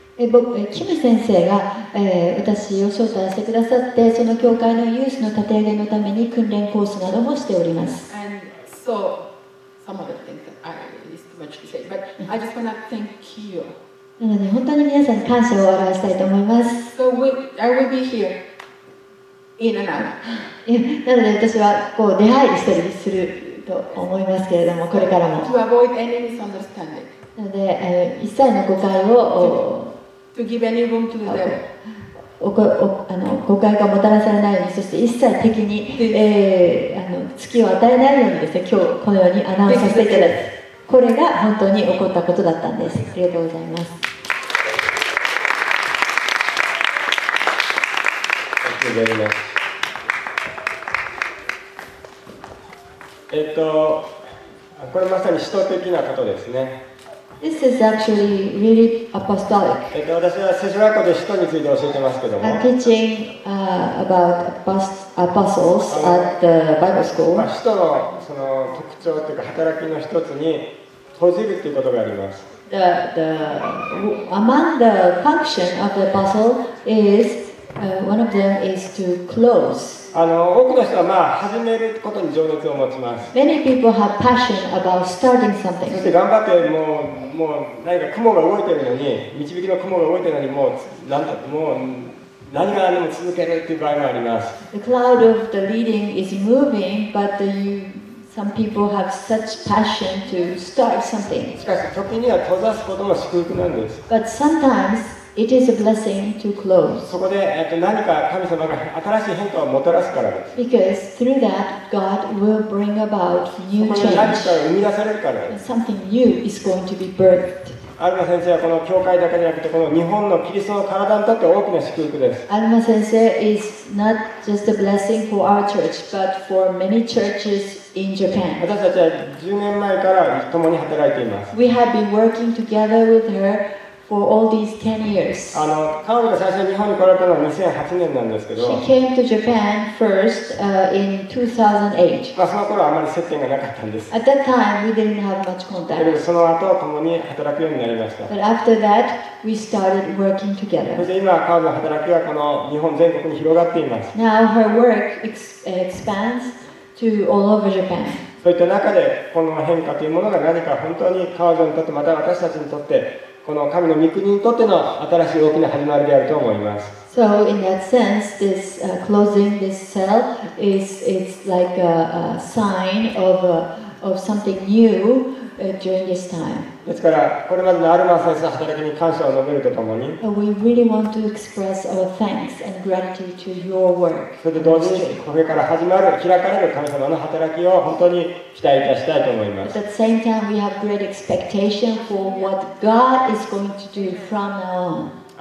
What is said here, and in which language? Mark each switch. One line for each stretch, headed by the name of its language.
Japanese: キム先生が、私を招待してくださって、その教会のユースの立て上げのために訓練コースなどもしております。
English: And so some other things that I is too much to say, but I just want to thank you.
Japanese: なので本当に皆さんに感謝を表したいと思います。
English: So I will be here in an hour.
Japanese: なので私はこう出入りしたりすると思いますけれども、これからも。
English: To avoid any misunderstanding.
Japanese: なので、一切の誤解を
English: to give any room to the devil.
Japanese: 誤解がもたらされないように、そして一切敵に、隙を与えないようにですね、今日このようにアナウンスさせていただく。これが本当に起こったことだったんです。ありがとうございます。
English: Thank you very much.
Japanese: これまさに使徒的なことですね。
English: This is actually really apostolic.
Japanese: 私は聖書学校で使徒について教えてますけども、
English: I'm teaching about apostles at the Bible school.
Japanese: 使徒 の, その特徴というか働きの一つに閉じるっていうことがあります。
English: Among the function of the apostle is One of them is to close.
Japanese: あの、多くの人は、まあ、始めることに情熱を持ちます。
English: Many people have passion about starting something.
Japanese: そして頑張ってもう何か雲が動いてるのに、導きの雲が動いてるのに、何が何でも続けるという場合もあります。
English: The cloud of the leading is moving, but some people have such passion to start something.
Japanese: しかし、時には閉ざすことも祝福なんです。
English: But sometimes it is a blessing to close.
Japanese: そこで、何か神様が新しい変化をもたらすからです。
English: Because through that, God will bring about new change.
Japanese: そこで何かが生み出されるからです。
English: Something new is going to be birthed.
Japanese: アルマ先生はこの教会だけじゃなくてこの日本のキリストの体にとって大きな祝福です。
English: アルマ先生 is not just a blessing for our church, but for many churches in Japan.
Japanese: 私たちは10年前から共に働いています。
English: We have been working together with her for all these 10 years.
Japanese: 彼女が最初に日本に来られたのは2008年なんですけど。
English: She came to Japan first, in 2008.
Japanese: まあ、その頃はあまり接点がなかったんです。
English: At that time, we didn't have much contact.
Japanese: でもその後共に働くようになりました。
English: But after that, we started working together.
Japanese: そして今彼女の働きはこの日本全国に広がっています。
English: Now her work expands to all over Japan.
Japanese: そういった中でこの変化というものが何か本当に彼女にとってまた私たちにとってこの神の御国にとっての新しい大きな始まりであると思います。
English: So in that sense, this closing this cell is like a sign of something new during this time.
Japanese: ですからこれまでのアルマ先生の働きに感謝を述べるとともに、
English: We really want to express our thanks and gratitude to your work.
Japanese: それと同時にこれから始まる開かれる神様の働きを本当に期待いたしたいと思います。
English: At the same time, we have great expectation for what God is going to do from now on.